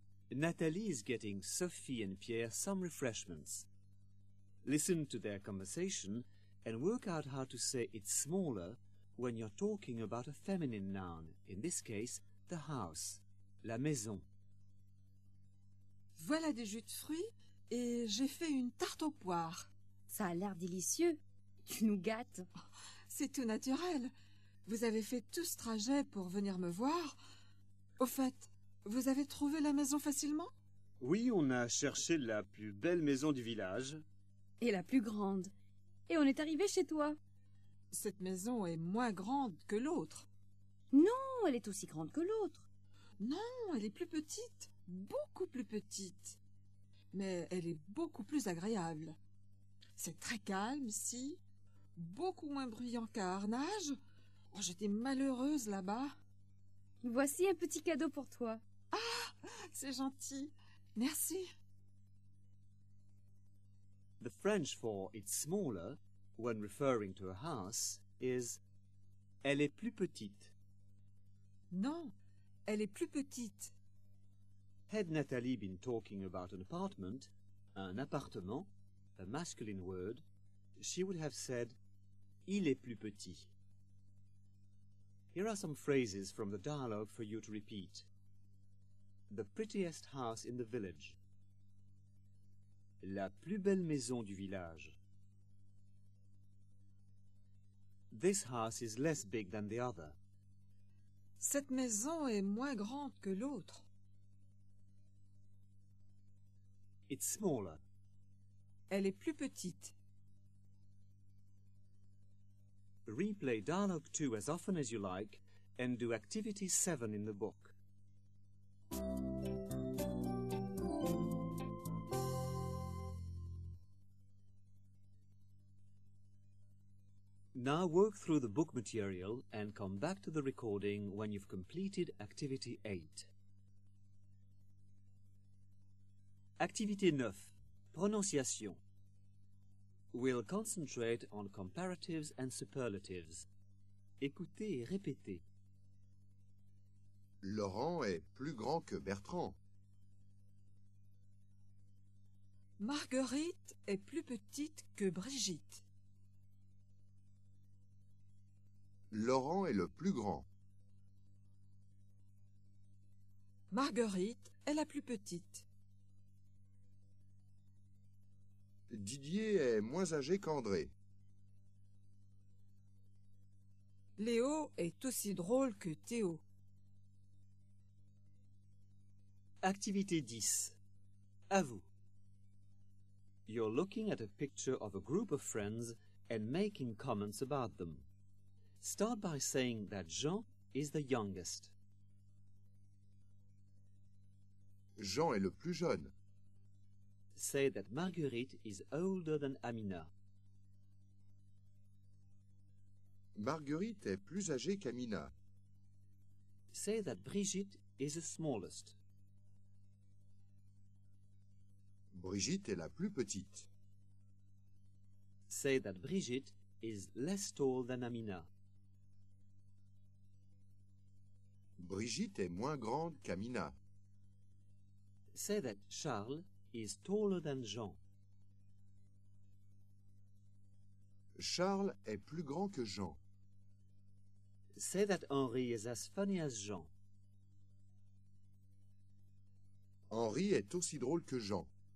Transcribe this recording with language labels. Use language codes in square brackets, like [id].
[en] Nathalie is getting Sophie and Pierre some refreshments. Listen to their conversation and work out how to say it's smaller when you're talking about a feminine noun, in this case, the house, la maison. [fr] Voilà des jus de fruits et j'ai fait une tarte aux poires. Ça a l'air délicieux. Tu nous gâtes. C'est tout naturel. Vous avez fait tout ce trajet pour venir me voir. Au fait... Vous avez trouvé la maison facilement? Oui, on a cherché la plus belle maison du village. Et la plus grande. Et on est arrivé chez toi. cette maison est moins grande que l'autre. Non, elle est aussi grande que l'autre. Non, elle est plus petite, beaucoup plus petite. Mais elle est beaucoup plus agréable. C'est très calme ici, beaucoup moins bruyant qu'à Arnage. Oh, j'étais malheureuse là-bas. Voici un petit cadeau pour toi. Ah, c'est gentil. Merci. [en] The French for it's smaller, when referring to a house, is [fr] elle est plus petite. Non, elle est plus petite. [en] Had Nathalie been talking about an apartment, un appartement, a masculine word, she would have said [fr] il est plus petit. [en] Here are some phrases from the dialogue for you to repeat. The prettiest house in the village. [fr] La plus belle maison du village. [en] This house is less big than the other. [fr] Cette maison est moins grande que l'autre. [en] It's smaller. [fr] Elle est plus petite. [en] Replay dialogue 2 as often as you like and do activity 7 in the book. Now work through the book material and come back to the recording when you've completed activity 8. Activity 9, prononciation. We'll concentrate on comparatives and superlatives. [fr] Écoutez et répétez. Laurent est plus grand que Bertrand. Marguerite est plus petite que Brigitte. Laurent est le plus grand. Marguerite est la plus petite. Didier est moins âgé qu'André. Léo est aussi drôle que Théo. Activité 10. À vous. [en] You're looking at a picture of a group of friends and making comments about them. Start by saying that Jean is the youngest. [fr] Jean est le plus jeune. [en] Say that Marguerite is older than Amina. [fr] Marguerite est plus âgée qu'Amina. [en] Say that Brigitte is the smallest. [fr] Brigitte est la plus petite. [en] Say that Brigitte is less tall than Amina. [fr] Brigitte est moins grande qu'Amina. [en] Say that Charles is taller than Jean. [fr] Charles est plus grand que Jean. [en] Say that Henri is as funny as Jean. [fr] Henri est aussi drôle que Jean.